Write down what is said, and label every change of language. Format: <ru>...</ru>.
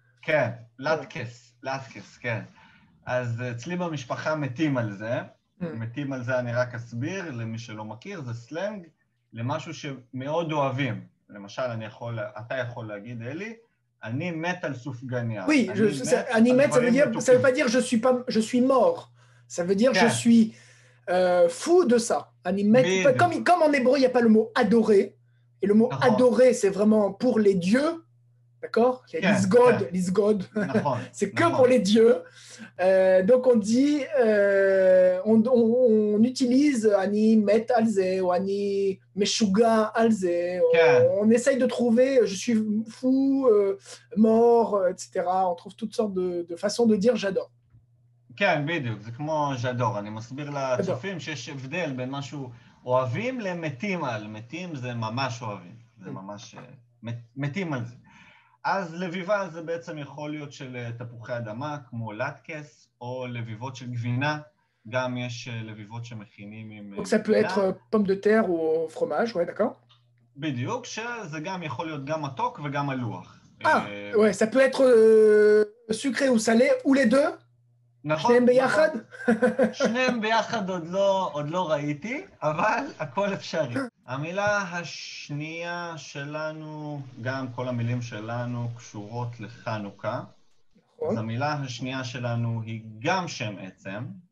<he>כן, לטקס, כן. אז אצלי במשפחה מתים על זה, מתים על זה אני רק אסביר, למי שלא מכיר, זה סלנג. למשהו שמאוד אוהבים. למשל, אתה יכול להגיד, אלי, אני מת על סופגניה.</he> <fr>Oui,</fr> <he>אני מת,</he> <fr>ça veut pas dire je suis mort. Ça veut dire je suis fou de ça.</fr> <he>אני מת,</he> <fr>comme en hébreu, il y a pas le mot adorer. Et le mot adorer, c'est vraiment pour les dieux. D'accord? L'isgod. C'est que pour les dieux. Donc on dit, on utilise</fr> <he>ani met alze,</he> <fr>ou</fr> <he>ani meshuga alze,</he> <fr>on essaye de trouver je suis fou, mort, etc. On trouve toutes sortes de façons de dire j'adore.</fr> <he>כן, בדיוק, זה כמו j'adore. אני מסביר לצופים שיש הבדל בין משהו אוהבים למתים על. מתים זה ממש אוהבים. זה ממש מתים על זה. אז לביבה זה בעצם יכול להיות של תפוחי אדמה, כמו לטקס, או לביבות של גבינה. גם יש לביבות שמכינים עם גבינה.</he> <fr>ça peut être pomme de terre ou fromage, ouais, d'accord?</fr> <he>בדיוק, שזה גם יכול להיות גם מתוק וגם מלוח.</he> <fr>אה, ouais, ça peut être sucré ou salé, ou les deux?</fr> <he>נכון. שניהם ביחד? שניהם ביחד עוד לא ראיתי, אבל הכל אפשרי. המילה השנייה שלנו, גם כל המילים שלנו קשורות לחנוכה. נכון. אז המילה השנייה שלנו היא גם שם עצם.</he>